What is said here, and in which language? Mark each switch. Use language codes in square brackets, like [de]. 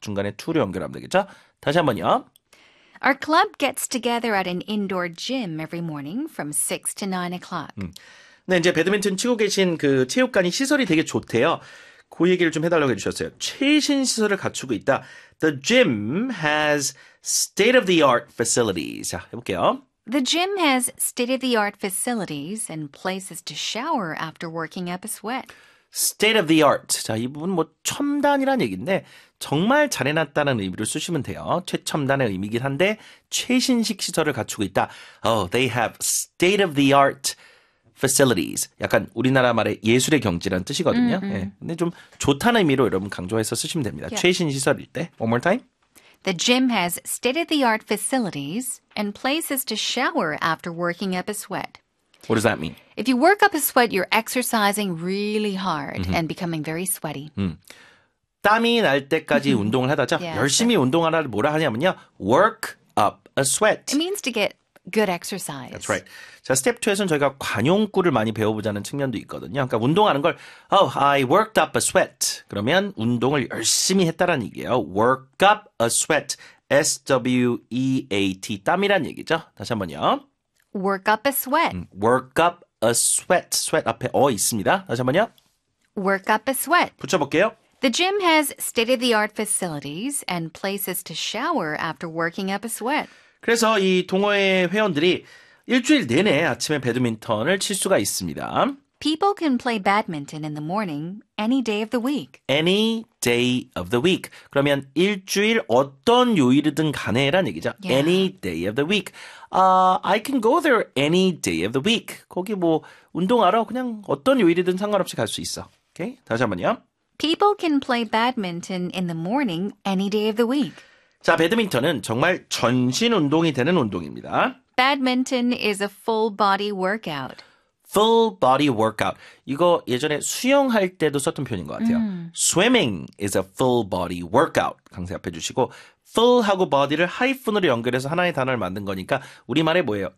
[ko] 중간에 2로 연결하면 되겠죠. 다시 한 번요. [en] Our club gets together at an indoor gym every morning from 6 to 9 o'clock. [ko] 네, 이제 배드민턴 치고 계신 그 체육관이 시설이 되게 좋대요. 그 얘기를 좀 해달라고 해주셨어요. 최신 시설을 갖추고 있다. [en] The gym has state-of-the-art facilities. [ko] 자, 해볼게요. [en] The gym has state-of-the-art facilities and places to shower after working up a sweat. State-of-the-art. [ko] 자, 이 부분 뭐 첨단이라는 얘기인데 정말 잘해놨다는 의미로 쓰시면 돼요. 최첨단의 의미긴 한데 최신식 시설을 갖추고 있다. [en] Oh, they have state-of-the-art facilities. [ko] 약간 우리나라 말의 예술의 경지라는 뜻이거든요. [en] Mm-hmm. [ko] 네, 근데 좀 좋다는 의미로 여러분 강조해서 쓰시면 됩니다. [en] Yeah. [ko] 최신 시설일 때. [en] One more time. The gym has state-of-the-art facilities and places to shower after working up a sweat. What does that mean? If you work up a sweat, you're exercising really hard mm-hmm. and becoming very sweaty. [ko] 땀이 날 때까지 mm-hmm. 운동을 하다죠. Yeah, 열심히 so. 운동하라를 뭐라 하냐면요. [en] Work up a sweat. It means to get good exercise. That's right. [ko] 자, 스텝 2에서는 저희가 관용구를 많이 배워보자는 측면도 있거든요. 그러니까 운동하는 걸 [en] Oh, I worked up a sweat. [ko] 그러면 운동을 열심히 했다라는 얘기예요. [en] Work up a sweat. S-W-E-A-T. [ko] 땀이란 얘기죠. 다시 한 번요. [en] Work up a sweat. Work up a sweat. [ko] Sweat 앞에 어 있습니다. 다시 한 번요. [en] Work up a sweat. [ko] 붙여볼게요. [en] The gym has state-of-the-art facilities and places to shower after working up a sweat. [ko] 그래서 이 동호회 회원들이 일주일 내내 아침에 배드민턴을 칠 수가 있습니다. [en] People can play badminton in the morning any day of the week. Any day of the week. [ko] 그러면 일주일 어떤 요일이든 간에라는 얘기죠. [en] Yeah. Any day of the week. I can go there any day of the week. [ko] 거기 뭐 운동하러 그냥 어떤 요일이든 상관없이 갈 수 있어. Okay? 다시 한 번요. [en] People can play badminton in the morning any day of the week. [ko] 자, 배드민턴은 정말 전신 운동이 되는 운동입니다. [en] Badminton is a full body workout. Full body workout. [ko] 이거 예전에 수영할 때도 썼던 표현인 것 같아요. [en] Swimming is a full body workout. [ko] 강세 앞에 주시고 full하고 body를 하이픈으로 연결해서 하나의 단어를 만든 거니까 우리말에 뭐예요?